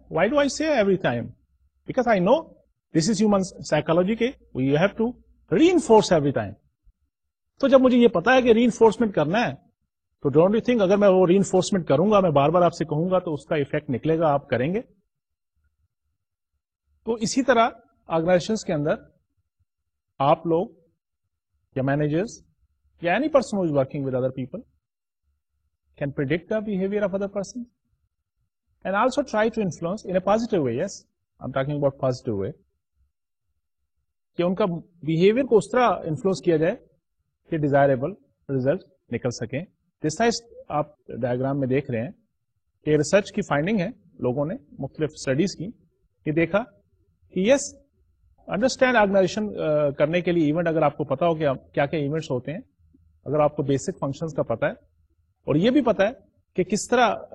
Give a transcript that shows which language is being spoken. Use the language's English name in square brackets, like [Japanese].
[English] Why do I say every time? Because I know this is human psychology کے you have to reinforce every time. [Urdu] تو جب مجھے یہ پتا ہے کہ ری انفورسمنٹ کرنا ہے تو [English] don't you think [Urdu] اگر میں وہ ری انفورسمنٹ کروں گا, میں بار بار آپ سے کہوں گا تو اس کا افیکٹ نکلے گا, آپ کریں گے. تو اسی طرح آرگنائزیشنز کے اندر آپ لوگ یا مینیجرز [English] یا any person who is working with other people can predict the behaviour of other person and also try to influence in a positive way. Yes I am talking about positive way, [Urdu] کہ ان کا behaviour کو اس طرح influence کیا جائے کہ desirable result نکل سکیں. دس size آپ ڈائگرام میں دیکھ رہے ہیں کہ ریسرچ کی فائنڈنگ ہے, لوگوں نے مختلف اسٹڈیز کی, یہ دیکھا کہ یس انڈرسٹینڈ آرگنائزیشن کرنے کے لیے ایونٹ, اگر آپ کو پتا ہو کہ کیا کیا ایونٹس ہوتے ہیں, اگر آپ کو بیسک فنکشنز کا پتا ہے اور یہ بھی پتا ہے کہ کس طرح